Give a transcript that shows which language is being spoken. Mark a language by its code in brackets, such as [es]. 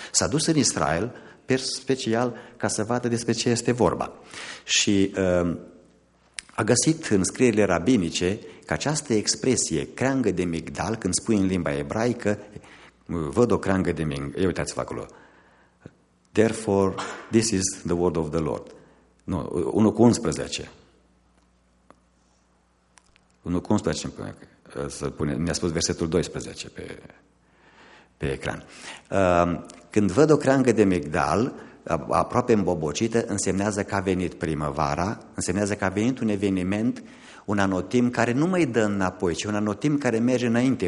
[ro] S-a dus în Israel, per special, ca să vadă despre ce este vorba. Și a găsit în scrierile rabinice că această expresie, creangă de Migdal, când spui în limba ebraică, văd o creangă de Migdal. Ia uitați-vă acolo. [en] Therefore, this is the word of the Lord. [ro] Nu, 1 cu 11. 1 cu 11, să pune, ne-a spus versetul 12 pe ecran. Când văd o creangă de Migdal, aproape îmbobocită, însemnează că a venit primăvara, însemnează că a venit un eveniment, un anotimp care nu mai dă înapoi, ci un anotimp care merge înainte.